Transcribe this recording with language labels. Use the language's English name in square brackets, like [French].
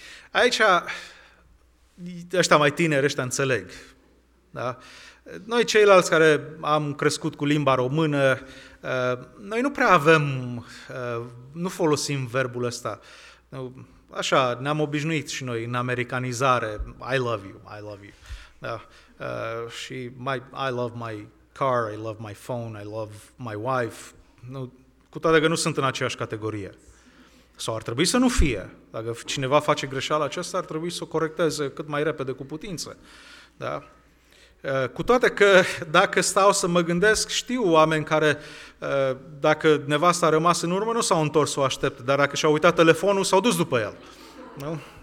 [Romanian] Aici ăștia mai tineri, ăștia înțeleg. Da? Noi ceilalți care am crescut cu limba română, noi nu prea avem, nu folosim verbul ăsta. Așa, ne-am obișnuit și noi în americanizare. [English] I love you, I love you. [Romanian] Da? Și [English] I love my car, I love my phone, I love my wife. [Romanian] Nu, cu toate că nu sunt în aceeași categorie. Sau ar trebui să nu fie. Dacă cineva face greșeala aceasta, ar trebui să o corecteze cât mai repede cu putință. Da? Cu toate că, dacă stau să mă gândesc, știu oameni care, dacă nevasta a rămas în urmă, nu s-au întors să o aștepte, dar dacă și-a uitat telefonul, s-au dus după el. Nu?